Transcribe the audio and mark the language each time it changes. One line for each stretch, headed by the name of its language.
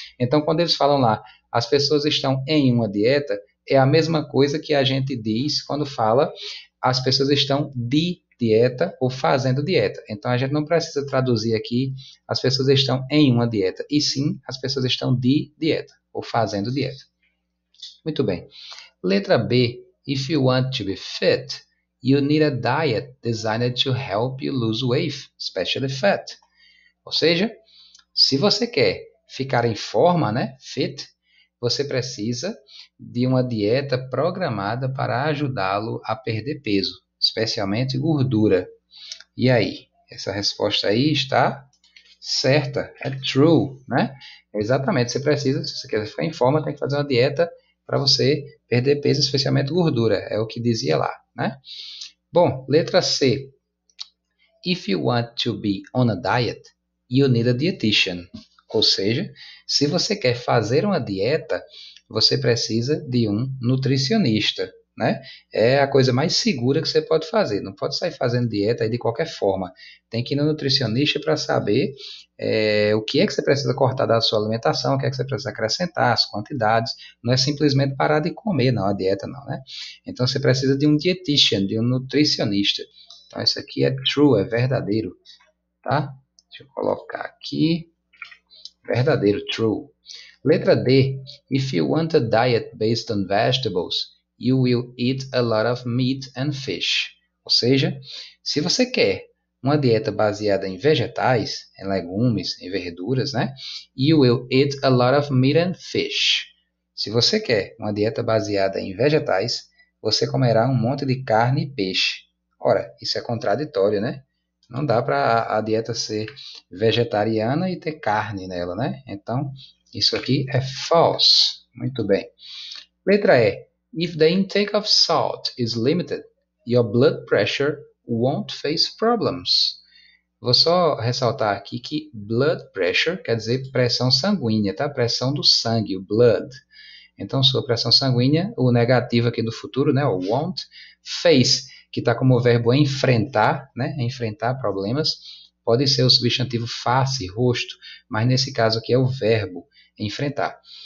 Portuguese: Então, quando eles falam lá, as pessoas estão em uma dieta, é a mesma coisa que a gente diz quando fala as pessoas estão de dieta ou fazendo dieta. Então, a gente não precisa traduzir aqui as pessoas estão em uma dieta, e sim as pessoas estão de dieta ou fazendo dieta. Muito bem. Letra B.
English: If you want to be fit, you need a diet designed to help you lose weight, especially fat.
Portuguese: Ou seja, se você quer ficar em forma, né, fit, você precisa de uma dieta programada para ajudá-lo a perder peso, especialmente gordura. E aí, essa resposta aí está certa, é true, né? É exatamente, você precisa, se você quer ficar em forma, tem que fazer uma dieta para você perder peso, especialmente gordura, é o que dizia lá, né? Bom, letra C.
English: If you want to be on a diet, you need a dietitian.
Portuguese: Ou seja, se você quer fazer uma dieta, você precisa de um nutricionista, né? É a coisa mais segura que você pode fazer. Não pode sair fazendo dieta aí de qualquer forma. Tem que ir no nutricionista para saber o que é que você precisa cortar da sua alimentação, o que é que você precisa acrescentar, as quantidades. Não é simplesmente parar de comer, não, a dieta, não, né? Então você precisa de um dietitian, de um nutricionista. Então isso aqui é true, é verdadeiro, tá? Deixa eu colocar aqui. Verdadeiro, true. Letra D.
English: If you want a diet based on vegetables, you will eat a lot of meat and fish.
Portuguese: Ou seja, se você quer uma dieta baseada em vegetais, em legumes, em verduras, né?
English: You will eat a lot of meat and fish.
Portuguese: Se você quer uma dieta baseada em vegetais, você comerá um monte de carne e peixe. Ora, isso é contraditório, né? Não dá para a dieta ser vegetariana e ter carne nela, né? Então, isso aqui é false. Muito bem. Letra E.
English: If the intake of salt is limited, your blood pressure won't face problems.
Portuguese: Vou só ressaltar aqui que blood pressure quer dizer pressão sanguínea, tá? Pressão do sangue, o blood. Então, sua pressão sanguínea, o negativo aqui do futuro, né? O won't face, que está como verbo enfrentar, né? Enfrentar problemas. Pode ser o substantivo face, rosto, mas nesse caso aqui é o verbo enfrentar.